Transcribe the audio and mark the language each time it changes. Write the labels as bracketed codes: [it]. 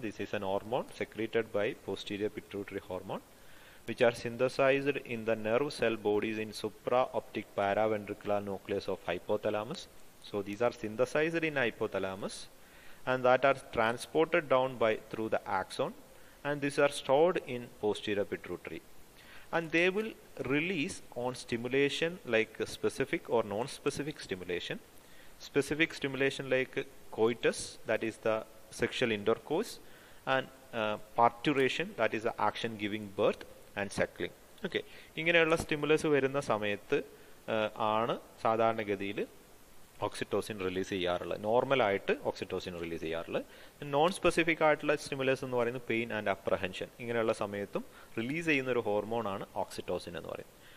[en] This is an hormone secreted by posterior pituitary hormone, which are synthesised in the nerve cell bodies in supra optic paraventricular nucleus of hypothalamus. So these are synthesised in hypothalamus and that are transported down by through the axon and these are stored in posterior pituitary. And they will release on stimulation like specific or non-specific stimulation. Specific stimulation like coitus, that is the sexual intercourse, and parturition, that is the action giving birth, and suckling. [ml] Okay, ഇങ്ങനെയുള്ള stimulus വരുന്ന സമയത്ത് ആണ് സാധാരണഗതിയിൽ oxytocin release ചെയ്യാറുള്ളത്. നോർമലായിട്ട് oxytocin release ചെയ്യാറുള്ളത്. Non specific ആയിട്ടുള്ള stimulus എന്ന് പറയുന്നത് പെയിൻ ആൻഡ് അപ്രഹെൻഷൻ, ഇങ്ങനെയുള്ള സമയത്തും റിലീസ് ചെയ്യുന്ന ഒരു ഹോർമോൺ ആണ് ഓക്സിറ്റോസിൻ എന്ന് പറയുന്നത്.